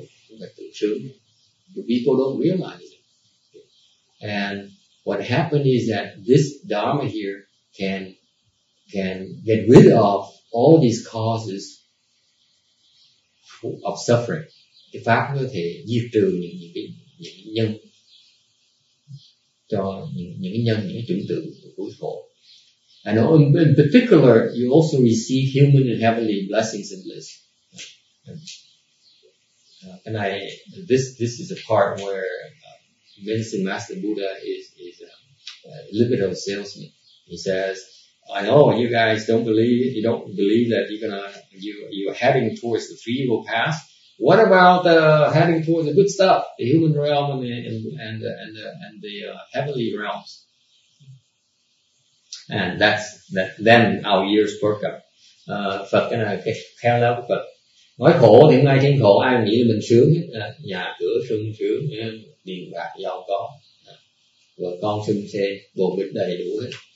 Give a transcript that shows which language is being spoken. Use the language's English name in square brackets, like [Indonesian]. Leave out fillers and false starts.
[English] The people don't realize it. And what happened is that this Dharma here can get rid of all these causes of suffering. [Vietnamese] Cái pháp có thể diệt trừ những cái nhân, những cái chủng tử của khổ. [English] And in particular, you also receive human and heavenly blessings and bliss. And this is a part where Medicine Master Buddha is a little bit of a salesman. He says, "I know you guys don't believe it. You don't believe that you're heading towards the three evil paths. What about heading towards the good stuff, the human realm and the heavenly realms?" And then our ears perk up. [Vietnamese] Phật cái này khéo léo của Phật. Nói khổ thì ngay trên khổ ai nghĩ là mình sướng hết. Nhà cửa sung sướng, tiền bạc giàu có. Rồi con sung xe, bồ bịch đầy đủ hết.